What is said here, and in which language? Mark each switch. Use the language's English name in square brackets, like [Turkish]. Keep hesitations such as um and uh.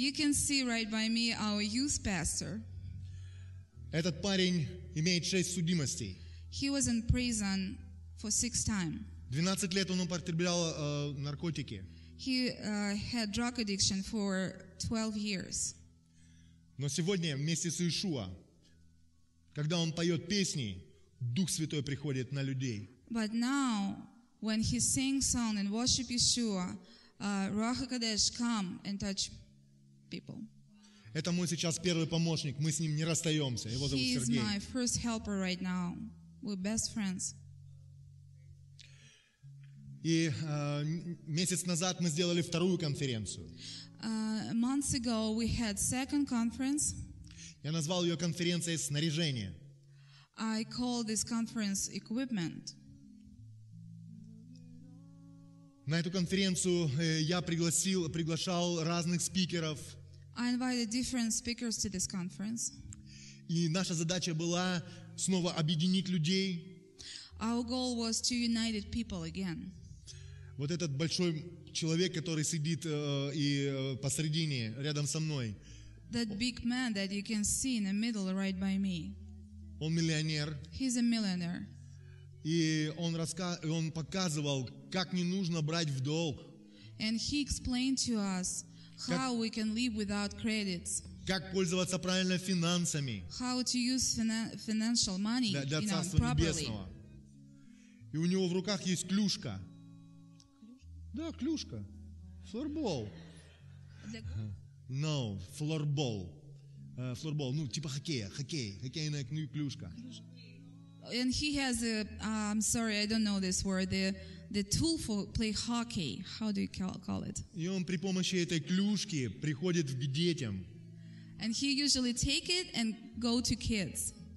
[English] you can see right by me our youth pastor. [Russian] Этот парень имеет шесть судимостей. [English] He was in prison for six time. [Russian] Двенадцать лет он употреблял uh, наркотики. [English] He uh, had drug addiction for 12 years. [Russian] Но сегодня вместе с Иешуа, когда он поет песни, Дух Святой приходит на людей. [English] But now, when he sings song and worship Yeshua, uh, Ruach HaKadosh come and touch people. [Russian] Это мой сейчас первый помощник. Мы с ним не расстаемся. Его зовут Сергей. [English] He is my first helper right now. We're best friends. [Russian] И uh, месяц назад мы сделали вторую конференцию. [English] months ago we had second conference. [Russian] Я назвал ее конференцией снаряжения. [English] I call this conference equipment. [Russian] На эту конференцию я пригласил, приглашал разных спикеров. [English] I invited different speakers to this conference. [Russian] И наша задача была снова объединить людей. [English] Our goal was to unite people again. [Russian] Вот этот большой человек, который сидит э, и э, посредине, рядом со мной. [English] That big man that you can see in the middle right by me. [Russian] Он миллионер. [English] He's a millionaire. [Russian] И он, раска... он показывал, как не нужно брать в долг. [English] And he explained to us how [Russian] как... [English] we can live without credits. [Russian] Как пользоваться правильно финансами. [English] How to use financial money [Russian] для, для царства [English] you know, [Russian] небесного. [English] Properly. [Russian] И у него в руках есть клюшка. Да, клюшка. Флорбол. No, флорбол. Флорбол, uh, ну, типа хоккея, хоккей, хоккейная клюшка. клюшка. [English] And he has a, uh, I'm sorry, I don't know this word, the, the tool for play hockey. How do you call, call it? [Russian] И он при помощи этой клюшки приходит к детям. [English] And he usually take it and go to kids.